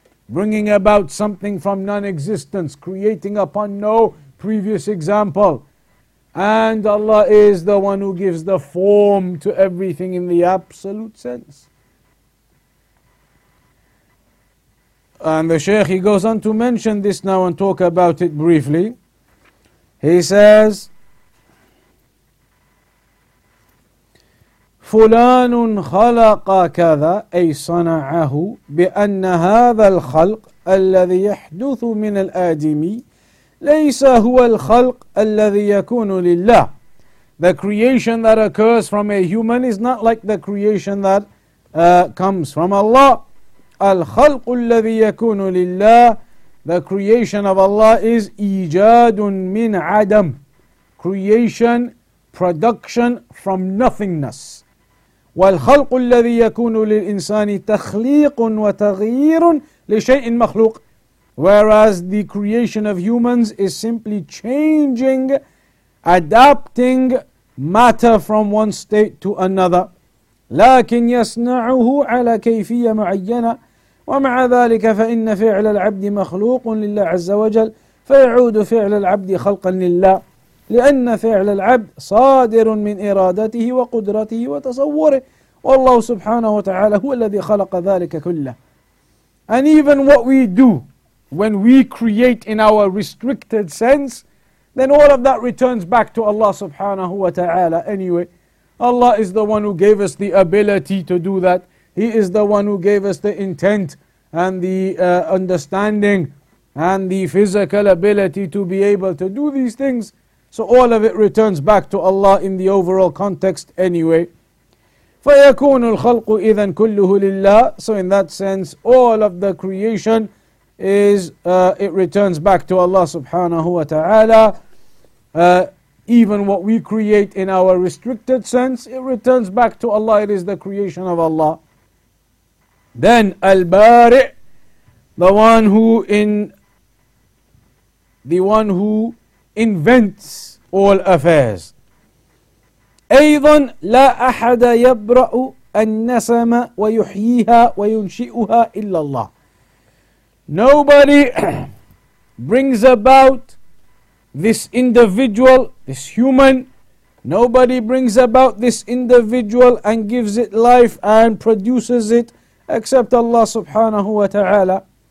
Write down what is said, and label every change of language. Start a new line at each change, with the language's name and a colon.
English: Bringing about something from non-existence, creating upon no previous example. And Allah is the one who gives the form to everything in the absolute sense. And the Shaykh, he goes on to mention this now and talk about it briefly. He says,
Arabic: فلان خلق كذا أي صنعه بأن هذا الخلق الذي يحدث من الآدمي ليس هو الخلق الذي يكون لله.
English: The creation that occurs from a human is not like the creation that comes from Allah.
Arabic: الخلق الذي يكون لله.
English: The creation of Allah is
Arabic: إيجاد من عدم.
English: Creation, production from nothingness.
Arabic: والخلق الذي يكون للإنسان تخليق وتغيير لشيء مخلوق.
English: Whereas the creation of humans is simply changing, adapting matter from one state to another.
Arabic: لكن يصنعه على كيفية معينة ومع ذلك فإن فعل العبد مخلوق لله عز وجل فيعود فعل العبد خلقا لله لأن فعل العبد صادر من إرادته وقدرته وتصوره والله سبحانه وتعالى هو الذي خلق ذلك كله.
English: And even what we do when we create in our restricted sense, then all of that returns back to Allah subhanahu wa ta'ala anyway. Allah is the one who gave us the ability to do that. He is the one who gave us the intent and the understanding and the physical ability to be able to do these things. So all of it returns back to Allah in the overall context anyway.
Arabic: فَيَكُونُ الْخَلْقُ إِذَنْ كُلُّهُ لِلَّهِ
English: So in that sense, all of the creation is, it returns back to Allah subhanahu wa ta'ala. Even what we create in our restricted sense, it returns back to Allah, it is the creation of Allah. Then, al-bari', the one who invents all affairs.
Arabic: أيضاً لا أحد يبرأ النسمة ويحييها وينشئها إلا الله.
English: Nobody brings about this individual, this human. Nobody brings about this individual and gives it life and produces it except Allah سبحانه وتعالى.